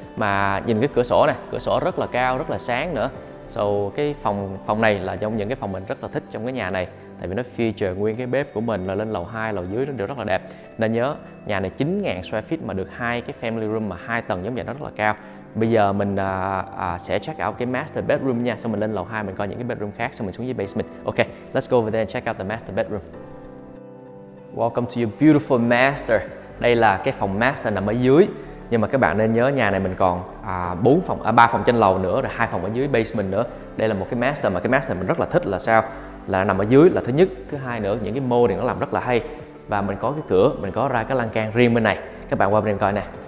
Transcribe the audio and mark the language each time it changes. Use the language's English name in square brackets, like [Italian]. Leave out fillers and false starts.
[Vietnamese] Mà nhìn cái cửa sổ này, cửa sổ rất là cao, rất là sáng nữa. So cái phòng này là trong những cái phòng mình rất là thích trong cái nhà này. Tại vì nó feature nguyên cái bếp của mình, là lên lầu 2, lầu dưới nó đều rất là đẹp. Nên nhớ, nhà này 9.000 square feet mà được hai cái family room mà hai tầng giống vậy nó rất là cao. Bây giờ mình sẽ check out cái master bedroom nha. Xong mình lên lầu 2 mình coi những cái bedroom khác, xong mình xuống dưới basement. [English] Ok, let's go over there and check out the master bedroom. Welcome to your beautiful master. [Vietnamese] Đây là cái phòng master nằm ở dưới. Nhưng mà các bạn nên nhớ nhà này mình còn 3 phòng trên lầu nữa, rồi 2 phòng ở dưới basement nữa. Đây là một cái master mà cái master mình rất là thích là sao? Là nằm ở dưới là thứ nhất, thứ hai nữa những cái molding nó làm rất là hay. Và mình có cái cửa, mình có ra cái lan can riêng bên này. Các bạn qua bên coi nè.